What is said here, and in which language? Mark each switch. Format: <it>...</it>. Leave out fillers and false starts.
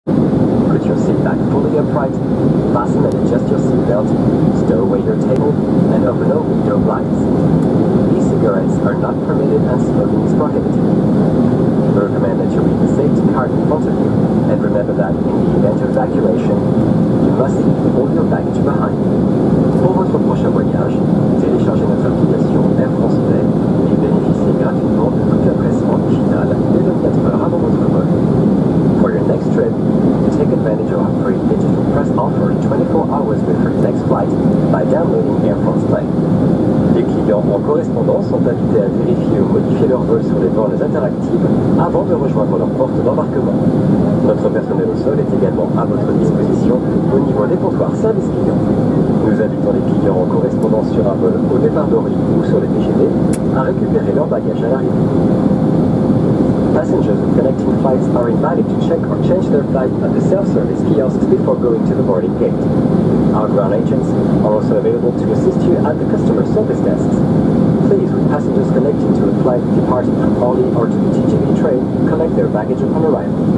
<en>be upright, fasten and adjust your seatbelt, stow away your table, and open all window blinds. E-cigarettes are not permitted and smoking is prohibited. We recommend that you leave the safety card in front of you, and remember that in the event of evacuation, you must leave all your baggage behind.</en> <fr>Pour votre prochain voyage, téléchargez notre application Air France Play et bénéficiez gratuitement de toute la presse en digital dès 24h avant votre vol.</fr> <en>For your next trip, take advantage of our free digital press offer 24 hours before your next flight by downloading Air France Play.</en> <fr>Les clients en correspondance sont invités à vérifier ou modifier leur vol sur les bornes interactives avant de rejoindre leur porte d'embarquement. Notre personnel au sol est également à votre disposition au niveau des comptoirs service clients. Nous invitons les clients en correspondance sur un vol au départ d'Orly ou sur les TGV à récupérer leur bagage à l'arrivée.</fr> <en>Passengers with connecting flights are invited to check or change their flight at the self-service kiosks before going to the boarding gate. Our ground agents are also available to assist you at the customer service desks. Please, with passengers connecting to a flight departing from Orly or to the TGV train, collect their baggage upon arrival.</en>